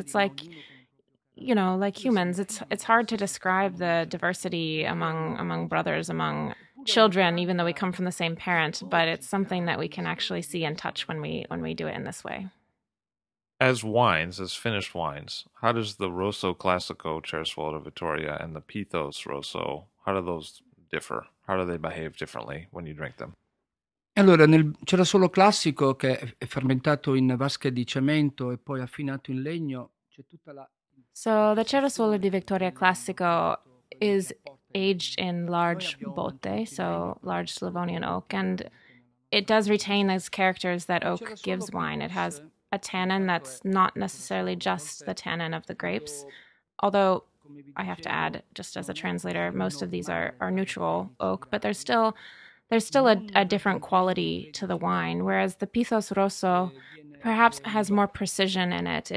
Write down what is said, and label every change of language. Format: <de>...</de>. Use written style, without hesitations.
<en>It's like, you know, like humans, it's hard to describe the diversity among brothers, among children, even though we come from the same parent, but it's something that we can actually see and touch when we do it in this way. As wines, as finished wines, how does the Rosso Classico Cerswold of Vittoria and the Pithos Rosso, how do those differ? How do they behave differently when you drink them?</en> <it>Allora, nel Cerasolo Classico, che è fermentato in vasche di cemento e poi affinato in legno, c'è tutta la...</it> <en>So, the Cerasolo di Vittoria Classico is aged in large botte, so large Slavonian oak, and it does retain those characters that oak gives wine. It has a tannin that's not necessarily just the tannin of the grapes, although I have to add, just as a translator, most of these are neutral oak, but there's still a different quality to the wine, whereas the Pithos Rosso perhaps has more precision in it.</en>